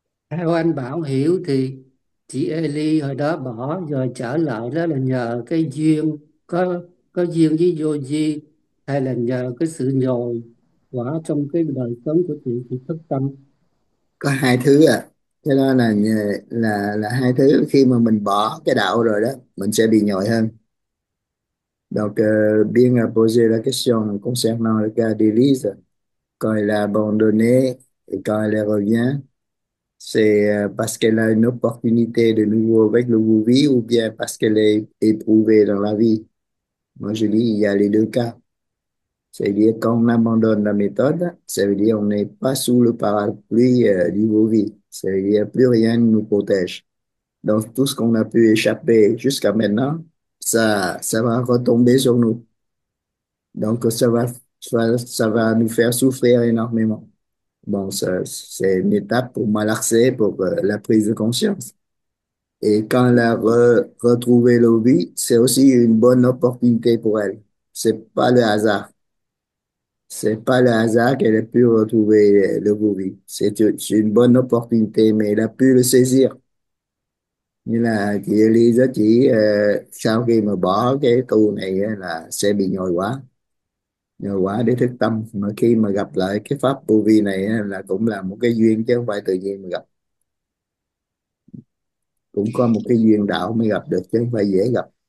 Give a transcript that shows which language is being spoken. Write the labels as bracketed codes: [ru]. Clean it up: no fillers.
[vi] Theo anh Bảo hiểu thì chị Eli hồi đó bỏ rồi trở lại đó là nhờ cái duyên, có duyên với vô di, hay là nhờ cái sự nhồi quá trong cái đời sống của chị thức tâm. Có hai thứ à, cho nên là hai thứ. Khi mà mình bỏ cái đạo rồi đó, mình sẽ bị nhồi hơn. [fr] Donc, bien poser la question concernant le cas d'Élise, quand elle a abandonné et quand elle revient, c'est parce qu'elle a une opportunité de nouveau avec le Vouvi ou bien parce qu'elle est éprouvée dans la vie. Moi, je dis, il y a les deux cas. C'est-à-dire quand on abandonne la méthode, ça veut dire on n'est pas sous le parapluie du Vouvi. Ça veut dire plus rien ne nous protège. Donc, tout ce qu'on a pu échapper jusqu'à maintenant, ça va retomber sur nous. Donc, ça va nous faire souffrir énormément. Bon, c'est une étape pour malaxer, pour la prise de conscience. Et quand elle a retrouvé le Vouvi, c'est aussi une bonne opportunité pour elle. C'est pas le hasard. C'est pas le hasard qu'elle ait pu retrouver le bourri. C'est une bonne opportunité, mais elle a pu le saisir. [vi] Như là chị Elisa chỉ sau khi mà bỏ cái tu này là sẽ bị nhồi quá để thức tâm, mà khi mà gặp lại cái pháp vô vi này là cũng là một cái duyên chứ không phải tự nhiên mà gặp, cũng có một cái duyên đạo mới gặp được chứ không phải dễ gặp.